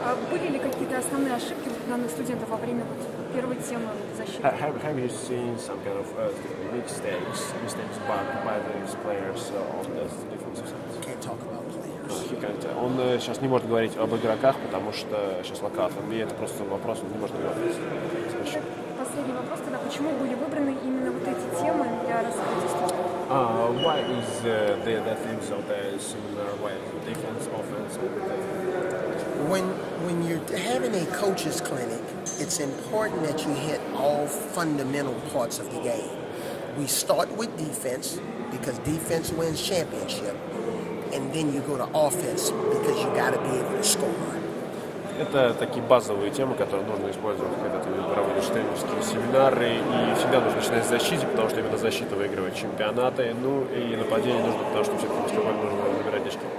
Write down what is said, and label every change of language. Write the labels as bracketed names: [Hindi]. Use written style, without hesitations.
[Russian] Были ли какие-то основные ошибки данных студентов во время первой темы защиты? [English] Have you seen some kind of mistakes by these players on the defensive side? Can't talk about it. [Russian] Он сейчас не может говорить об игроках, потому что сейчас локат. И это просто вопрос, он не может говорить. Последний вопрос тогда. Почему были выбраны именно вот эти темы для раскрытия? [English] Why is the themes of the seminar, why the defense, offense? When you're having a coach's clinic, it's important that you hit all fundamental parts of the game. We start with defense, because defense wins championship. And then you go to offense because you got to be able to score. [Russian] Это такие базовые темы, которые нужно использовать, когда ты проводишь тренерские семинары. И всегда нужно начинать с защиты, потому что именно защита выигрывает чемпионаты. Ну и нападение нужно, потому что все-таки с тобой нужно выбирать очки.